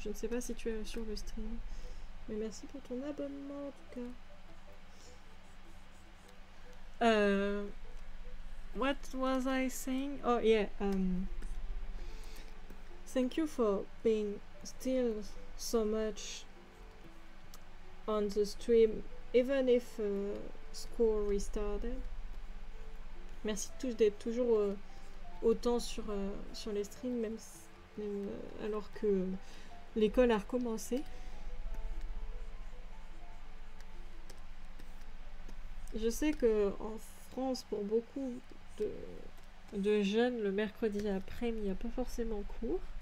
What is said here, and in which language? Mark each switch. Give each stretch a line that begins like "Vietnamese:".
French: Je ne sais pas si tu es sur le stream. Mais merci pour ton abonnement en tout cas.
English: What was I saying? Oh yeah. Thank you for being still so much on the stream Even if school restarted.
French: Merci tous d'être toujours autant sur les streams, même si, alors que l'école a recommencé. Je sais que en France, pour beaucoup de jeunes, le mercredi après-midi, il n'y a pas forcément cours.